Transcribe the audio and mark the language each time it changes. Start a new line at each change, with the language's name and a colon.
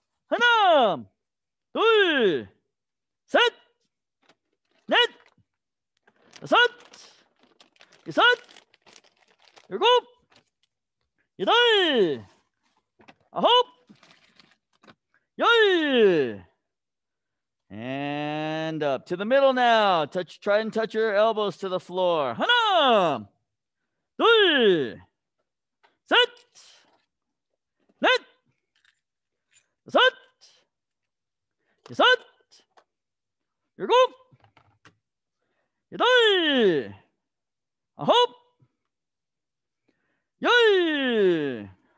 Korean: 하나, 둘, 셋, 넷, 다섯, 여섯, 일곱, 여덟, 아홉, 열.
English: And up to the middle now. Touch, try and touch your elbows to the floor.
Korean: 하나, 둘, 셋, 넷, 다섯, 여섯, 일곱, 여덟, 아홉, 열.